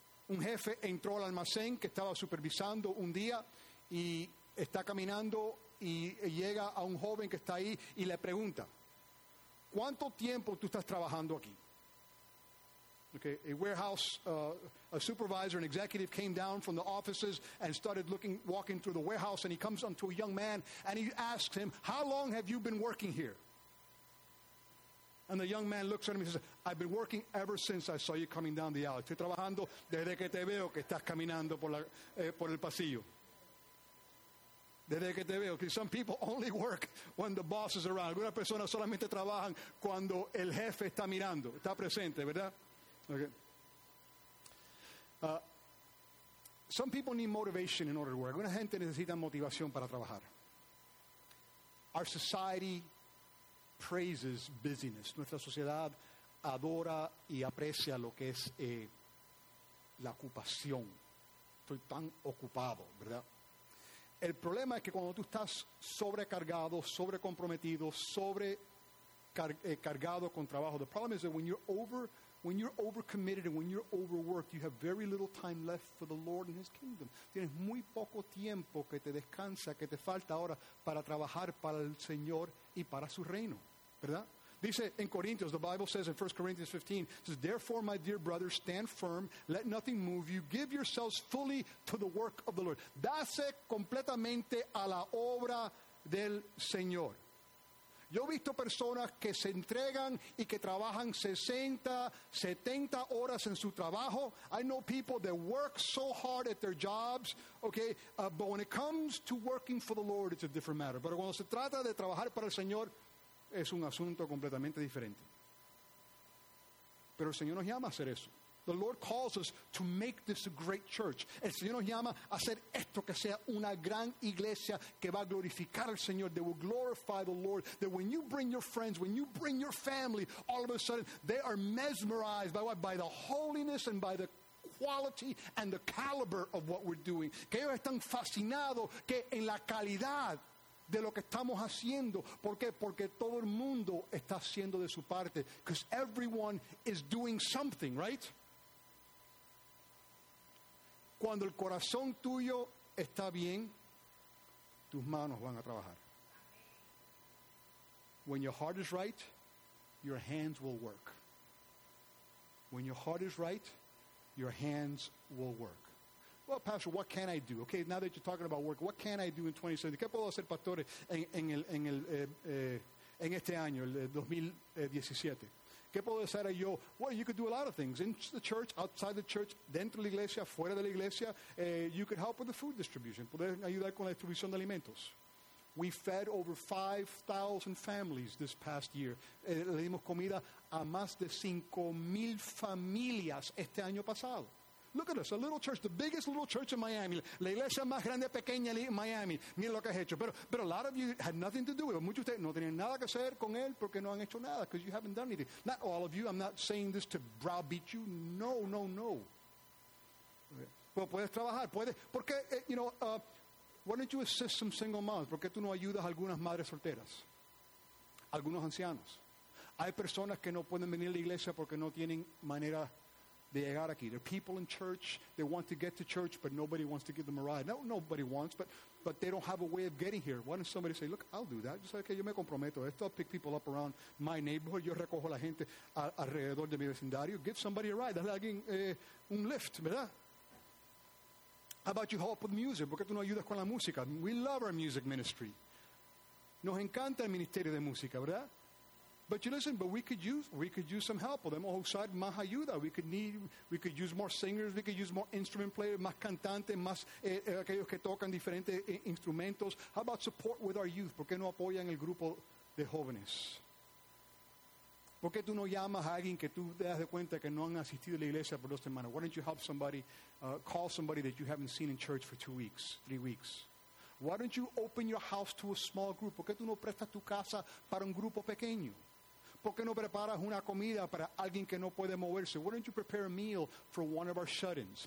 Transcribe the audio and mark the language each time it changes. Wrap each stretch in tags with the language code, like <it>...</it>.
<es>Un jefe entró al almacén que estaba supervisando un día y está caminando y llega a un joven que está ahí y le pregunta, ¿cuánto tiempo tú estás trabajando aquí?</es> <en>Okay, a warehouse, a supervisor, an executive came down from the offices and started looking, walking through the warehouse, and he comes up to a young man and he asks him, how long have you been working here? And the young man looks at him and says, I've been working ever since I saw you coming down the aisle.</en> <es>Estoy trabajando desde que te veo que estás caminando por el pasillo. Desde que te veo.</es> <en>Because some people only work when the boss is around.</en> <es>Algunas personas solamente trabajan cuando el jefe está mirando, está presente, ¿verdad?</es> <en>Okay. Some people need motivation in order to work.</en> <es>Una gente necesita motivación para trabajar.</es> <en>Our society praises busyness.</en> <es>Nuestra sociedad adora y aprecia lo que es la ocupación. Estoy tan ocupado, ¿verdad? El problema es que cuando tú estás sobrecargado, sobrecomprometido, sobrecargado con trabajo,</es> <en>the problem is that when you're overcommitted and when you're overworked, you have very little time left for the Lord and His kingdom.</en> <es>Tienes muy poco tiempo que te descansa, que te falta ahora para trabajar para el Señor y para su reino, ¿verdad? Dice en Corintios,</es> <en>the Bible says in 1 Corinthians 15, says, therefore, my dear brothers, stand firm, let nothing move you, give yourselves fully to the work of the Lord.</en> <es>Dase completamente a la obra del Señor. Yo he visto personas que se entregan y que trabajan 60, 70 horas en su trabajo.</es> <en>I know people that work so hard at their jobs, okay? But when it comes to working for the Lord, it's a different matter.</en> <es>Pero cuando se trata de trabajar para el Señor, es un asunto completamente diferente. Pero el Señor nos llama a hacer eso.</es> <en>The Lord calls us to make this a great church.</en> <es>El Señor nos llama a hacer esto que sea una gran iglesia que va a glorificar al Señor.</es> <en>They will glorify the Lord. That when you bring your friends, when you bring your family, all of a sudden they are mesmerized by what? By the holiness and by the quality and the caliber of what we're doing.</en> <es>Que ellos están fascinados que en la calidad de lo que estamos haciendo. ¿Por qué? Porque todo el mundo está haciendo de su parte.</es> <en>Because everyone is doing something, right?</en> <es>Cuando el corazón tuyo está bien, tus manos van a trabajar.</es> <en>When your heart is right, your hands will work. When your heart is right, your hands will work. Well, Pastor, what can I do? Okay, now that you're talking about work, what can I do in 2017?</en> <es>¿Qué puedo hacer, Pastor, en este año, el 2017? ¿Qué puedo hacer yo?</es> <en>Well, you could do a lot of things. In the church, outside the church,</en> <es>dentro de la iglesia,</es> <en>fuera de la iglesia, you could help with the food distribution.</en> <es>Poder ayudar con la distribución de alimentos.</es> <en>We fed over 5,000 families this past year.</en> <es>Le dimos comida a más de 5,000 familias este año pasado.</es> <en>Look at us, a little church, the biggest little church in Miami.</en> <es>La iglesia más grande pequeña en Miami. Miren lo que has hecho. Pero</es> <en>a lot of you had nothing to do with it.</en> <es>Muchos de ustedes no tenían nada que hacer con él porque no han hecho nada,</es> <en>because you haven't done anything. Not all of you. I'm not saying this to browbeat you. No, no, no. Okay. Well,</en> <es>puedes trabajar. Puedes. ¿Por qué,</es> <en>you know, why don't you assist some single moms?</en> <es>¿Por qué tú no ayudas a algunas madres solteras? Algunos ancianos. Hay personas que no pueden venir a la iglesia porque no tienen manera de llegar aquí.</es> <en>There are people in church, they want to get to church, but nobody wants to give them a ride. No, nobody wants, but they don't have a way of getting here. Why don't somebody say, look, I'll do that. Just like, okay,</en> <es>yo me comprometo. Esto,</es> <en>I'll pick people up around my neighborhood.</en> <es>Yo recojo la gente alrededor de mi vecindario.</es> <en>Give somebody a ride.</en> <es>Dale a alguien un lift, ¿verdad?</es> <en>How about you help with music?</en> <es>¿Por qué tú no ayudas con la música?</es> <en>We love our music ministry.</en> <es>Nos encanta el ministerio de música, ¿verdad?</es> <en>But you listen, but we could use some help.</en> <es>Podemos usar más ayuda.</es> <en>We could use more singers. We could use more instrument players,</en> <es>más cantantes, más aquellos que tocan diferentes instrumentos.</es> <en>How about support with our youth?</en> <es>¿Por qué no apoyan el grupo de jóvenes? ¿Por qué tú no llamas a alguien que tú te das de cuenta que no han asistido a la iglesia por 2 semanas?</es> <en>Why don't you help somebody, call somebody that you haven't seen in church for 2 weeks, 3 weeks? Why don't you open your house to a small group?</en> <es>¿Por qué tú no prestas tu casa para un grupo pequeño? ¿Por qué no preparas una comida para alguien que no puede moverse?</es> <en>Why don't you prepare a meal for one of our shut-ins?</en>